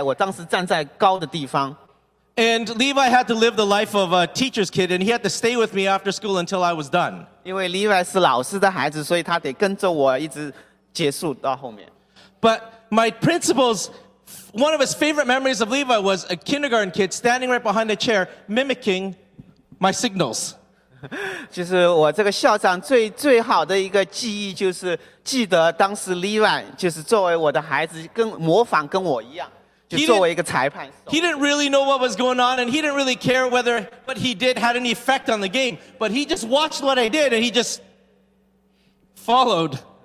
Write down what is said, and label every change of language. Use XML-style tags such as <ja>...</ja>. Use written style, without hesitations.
<zh>所以这个校长记得我当时是好像是一个裁判为一个排球比赛，我当时站在高的地方。</zh> <en>And Levi had to live the life of a teacher's kid, and he had to stay with me after school until I was done.</en> <zh>因为Levi是老师的孩子，所以他得跟着我一直结束到后面。</zh> <en>But my principal's, one of his favorite memories of Levi was a kindergarten kid standing right behind the chair, mimicking my signals.</en> <zh>就是我这个校长最好的一个记忆就是记得当时Levi就是作为我的孩子跟模仿跟我一样。</zh> <en>He didn't really know what was going on, and he didn't really care whether what he did had any effect on the game. But he just watched what I did, and he just followed.</en>